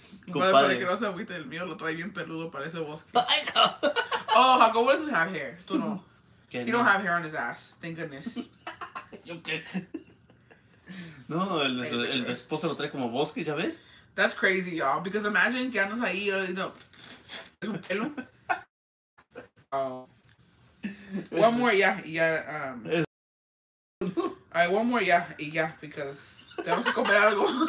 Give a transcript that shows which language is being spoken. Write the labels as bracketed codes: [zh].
[es] Compadre, que no se agüite el mío, lo trae bien peludo para ese bosque. [en] I know. Oh, Jacob doesn't have hair, [es] tú no. [en] He don't have hair on his ass, thank goodness. [es] Yo qué. No, el de su esposo lo trae como bosque, ¿ya ves? [en] That's crazy, y'all. Because imagine [es] que andas ahí, [en] you know. One more, alright, one more, because [es] tenemos que comer algo.